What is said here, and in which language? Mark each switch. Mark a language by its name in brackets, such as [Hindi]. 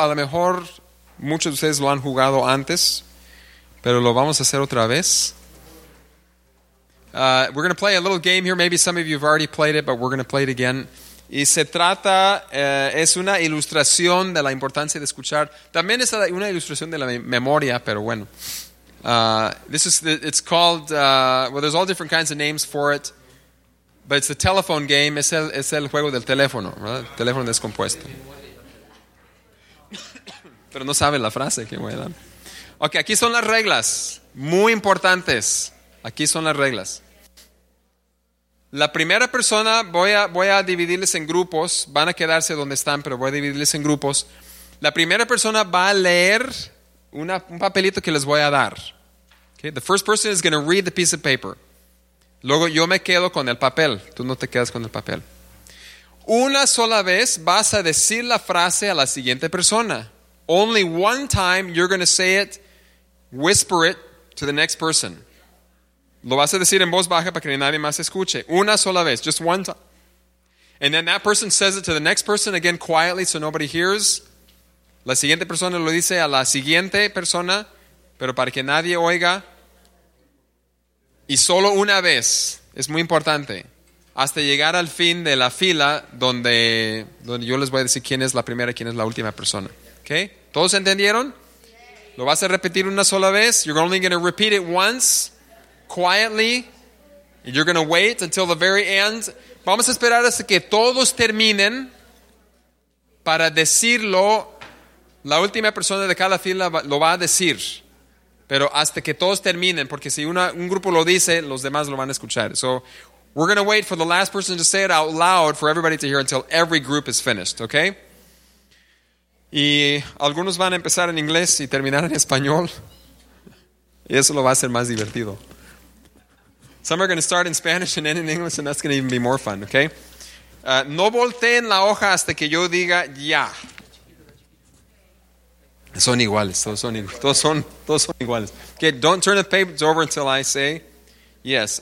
[Spanish] A lo mejor muchos de ustedes lo han jugado antes, pero lo vamos a hacer otra vez. [English] We're going to play a little game here. Maybe some of you have already played it, but we're going to play it again. [Spanish] Y se trata, es una ilustración de la importancia de escuchar. También es una ilustración de la memoria, pero bueno. [English] It's called there's all different kinds of names for it. But it's the telephone game. [Spanish] Es el juego del teléfono, ¿verdad? Teléfono descompuesto. Pero no saben la frase, qué buena. Ok, aquí son las reglas. Muy importantes. Aquí son las reglas. La primera persona, voy a dividirles en grupos. Van a quedarse donde están, pero voy a dividirles en grupos. La primera persona va a leer un papelito que les voy a dar. Okay? [English] The first person is going to read the piece of paper. [Spanish] Luego yo me quedo con el papel. Tú no te quedas con el papel. Una sola vez vas a decir la frase a la siguiente persona. [English] Only one time you're going to say it, whisper it to the next person. [Spanish] Lo vas a decir en voz baja para que nadie más escuche. Una sola vez. [English] Just one time. And then that person says it to the next person again quietly so nobody hears. [Spanish] La siguiente persona lo dice a la siguiente persona, pero para que nadie oiga. Y solo una vez. Es muy importante. Hasta llegar al fin de la fila donde yo les voy a decir quién es la primera y quién es la última persona. ¿Okay? ¿Todos entendieron? Lo vas a repetir una sola vez. [English] You're only going to repeat it once. Quietly, you're going to wait until the very end. [Spanish] Vamos a esperar hasta que todos terminen para decirlo. La última persona de cada fila lo va a decir, pero hasta que todos terminen, porque si un grupo lo dice, los demás lo van a escuchar. [English] So we're going to wait for the last person to say it out loud for everybody to hear until every group is finished, okay? [Spanish] Y algunos van a empezar en inglés y terminar en español. Y eso lo va a hacer más divertido. [English] Some are going to start in Spanish and end in English, and that's going to even be more fun, okay? [Spanish] No volteen la hoja hasta que yo diga ya. Son iguales, todos son iguales. [English] Okay, don't turn the papers over until I say yes.